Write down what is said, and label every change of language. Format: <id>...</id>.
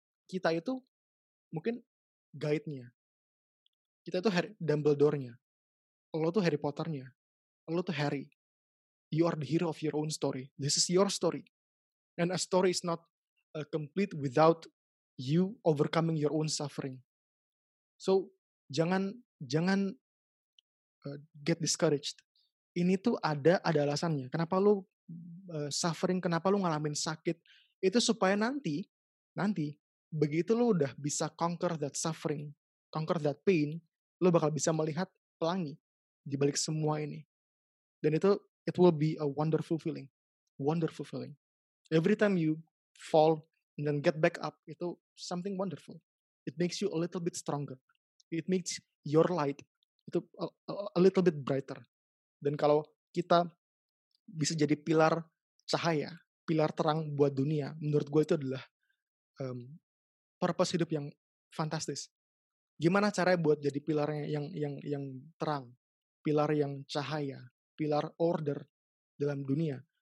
<id>Kita itu mungkin guide-nya. Kita itu Dumbledore-nya. Lo tuh Harry Potter-nya. Lo tuh Harry.</id> <en>You are the hero of your own story. This is your story. And a story is not complete without you overcoming your own suffering. So, jangan get discouraged.</en> <id>Ini tuh ada alasannya. Kenapa lu suffering, kenapa lu ngalamin sakit, itu supaya nanti, begitu lu udah bisa</id> <en>conquer that suffering, conquer that pain,</en> <id>lu bakal bisa melihat pelangi di balik semua ini. Dan itu,</id> <en>it will be a wonderful feeling. Wonderful feeling. Every time you fall and then get back up, itu something wonderful. It makes you a little bit stronger. It makes your light itu a little bit brighter.</en> <id>Dan kalau kita bisa jadi pilar cahaya, pilar terang buat dunia, menurut gue itu adalah purpose hidup yang fantastis. Gimana caranya buat jadi pilarnya yang terang, pilar yang cahaya, pilar order dalam dunia?</id>